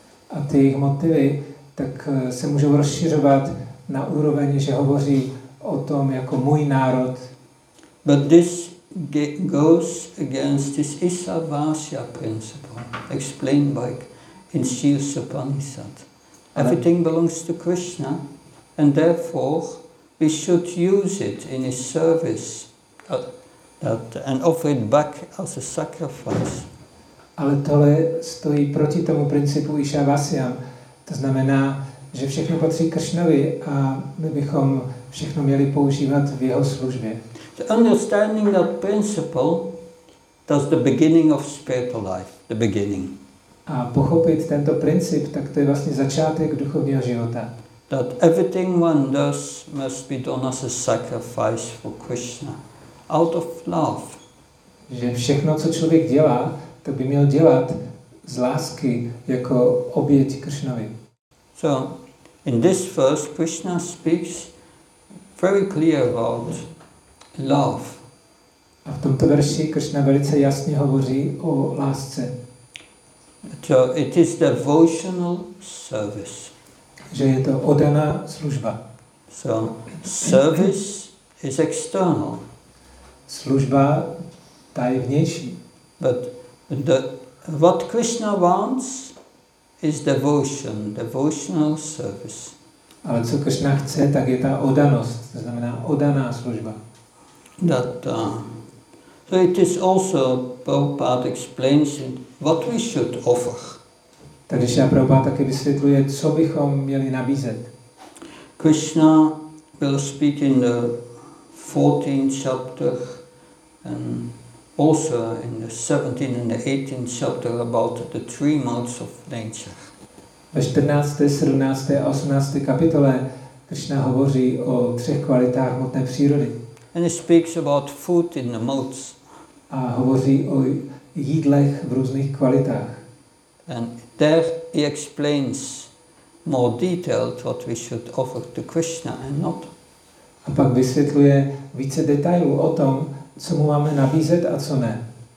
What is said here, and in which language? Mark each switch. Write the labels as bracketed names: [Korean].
[Czech] A ty jejich motivy tak se můžou rozšiřovat na úroveň, že hovoří o tom jako můj národ. [English] But this goes against this Isha Vasya principle explained by in Shri Upanishad. Everything belongs to Krishna and therefore we should use it in his service and offer it back as a sacrifice. [Czech] Ale tohle stojí proti tomu principu Isha Vasya. To znamená, že všechno patří Kršnovi a my bychom všechno měli používat v jeho službě. [English] The understanding that principle does the beginning of spiritual life, the beginning. [Czech] A pochopit tento princip, tak to je vlastně začátek duchovního života. [English] That everything one does must be done as a sacrifice for Krishna, out of love. [Czech] Že všechno, co člověk dělá, to by měl dělat z lásky jako oběť Kršnovi. [English] So in this verse Krishna speaks very clear about love. [Czech] A v tomto verši Krishna velice jasně hovoří o lásce. [English] So it is devotional service. [Czech] Že je to oddaná služba. [English] So service is external. [Czech] Služba ta je vnější. [English] But what Krishna wants is devotion, devotional service. [Czech] Ale co Krishna chce, tak je ta oddanost, to znamená oddaná služba. [English] That, so it is also, Prabhupada explains it, what we should offer. [Czech] Takže Šrila Prabhupada také vysvětluje, co bychom měli nabízet. [English] Krishna will speak in the 14th chapter and also in the 17th and the 18th chapter about the three modes of nature. [Czech] Ve 14., 17. a 18. kapitole Krishna hovoří o třech kvalitách hmotné přírody. [English] And he speaks about food in the modes. [Czech] A hovoří o jídlech v různých kvalitách. [English] And there he explains more detailed what we should offer to Krishna and not. [Czech] A pak vysvětluje více detailů o tom, co mu máme nabízet a co ne.